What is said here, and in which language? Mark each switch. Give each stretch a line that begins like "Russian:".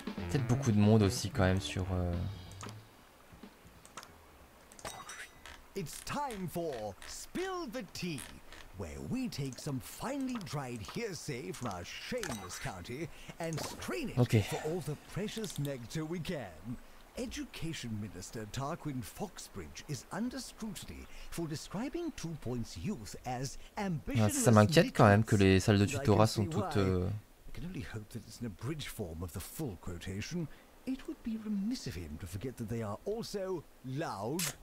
French: Peut-être beaucoup de monde aussi quand même sur...
English: It's time for Spill the Tea, where we take some finely dried hearsay from our shameless county and strain it okay. For all the precious nectar we can. Education Minister Tarquin Foxbridge is under scrutiny for describing Two Points Youth as ambitious.
French: Ça m'inquiète quand même que les salles de tutorat sont toutes.
English: I can only hope that it's an abridged form of the full quotation. It would be remiss of him to forget that they are also loud.